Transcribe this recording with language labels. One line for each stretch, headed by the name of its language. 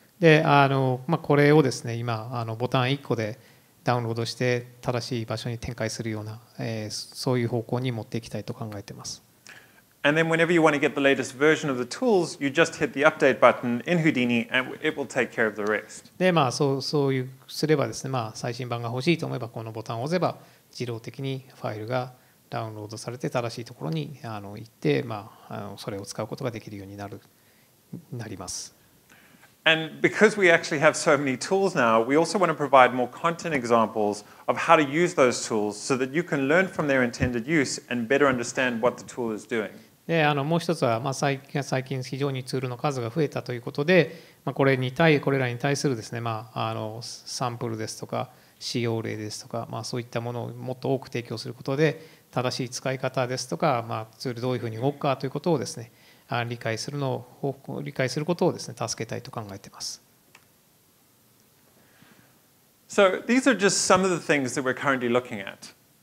Japanese: で、これをですね、今ボタン1個でダウンロードして正しい場所に展開するような、そういう方向に持っていきたいと考えてます。
English: And then whenever you want to get the latest version of the tools, you just hit the update button in Houdini and it will take care of the rest.
Japanese: で、そういうすればですね、最新版が欲しいと思えばこのボタンを押せば自動的にファイルがダウンロードされて正しいところに行って、それを使うことができるようになる、なります。
English: And because we actually have so many tools now, we also want to provide more content examples of how to use those tools so that you can learn from their intended use and better understand what the tool is doing.
Japanese: で、もう一つは、最近非常にツールの数が増えたということで、これらに対するですね、サンプルですとか使用例ですとか、そういったものをもっと多く提供することで、正しい使い方ですとか、ツールどういうふうに動くかということをですね、理解することをですね、助けたいと考えています。
English: So these are just some of the things that we're currently looking at.